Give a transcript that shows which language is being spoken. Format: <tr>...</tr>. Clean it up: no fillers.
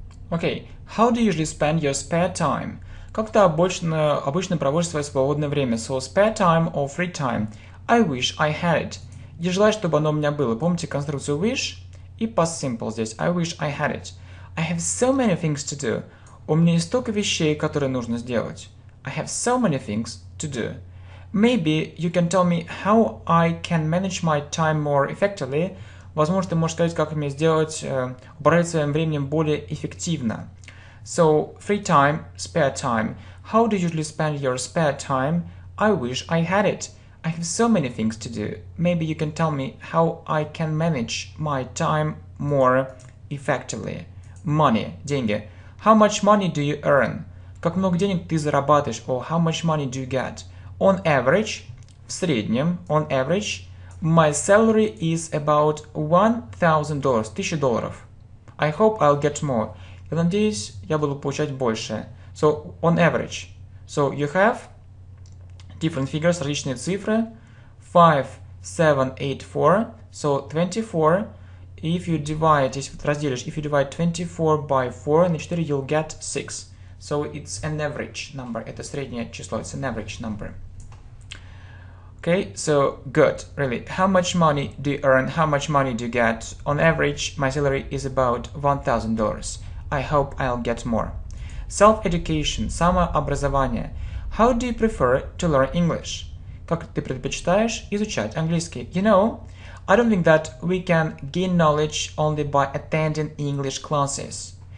<en>Okay, how do you usually spend your spare time?</en> <ru>Как ты обычно проводишь свое свободное время?</ru> <en>So, spare time or free time. I wish I had it.</en> <ru>Я желаю, чтобы оно у меня было. Помните конструкцию</ru> <en>wish?</en> <ru>И</ru> <en>past simple</en> <ru>здесь.</ru> <en>I wish I had it. I have so many things to do.</en> <ru>У меня есть столько вещей, которые нужно сделать.</ru> <en>I have so many things to do. Maybe you can tell me how I can manage my time more effectively.</en> <ru>Возможно, ты можешь сказать, как мне сделать, управлять своим временем более эффективно.</ru> <en>So, free time, spare time. How do you usually spend your spare time? I wish I had it. I have so many things to do. Maybe you can tell me how I can manage my time more effectively. Money,</en> <ru>деньги.</ru> <en>How much money do you earn?</en> <ru>Как много денег ты зарабатываешь?</ru> <en>Or how much money do you get? On average,</en> <ru>в среднем,</ru> <en>on average, my salary is about $1,000, $1,000. I hope I'll get more.</en> <ru>Я надеюсь, я буду получать больше.</ru> <en>So, on average. So, you have different figures,</en> <ru>различные цифры.</ru> <en>5, 7, 8, 4. So, 24. If you divide,</en> <ru>если ты разделишь,</ru> <en>if you divide 24 by 4, на 4, you'll get 6. So, it's an average number.</en> <ru>Это среднее число.</ru> <en>It's an average number. Okay, so, good, really. How much money do you earn? How much money do you get? On average, my salary is about $1,000. I hope I'll get more. Self-education,</en> <ru>самообразование.</ru> <en>How do you prefer to learn English?</en> <ru>Как ты предпочитаешь изучать английский?</ru> <en>You know, I don't think that we can gain knowledge only by attending English classes.</en>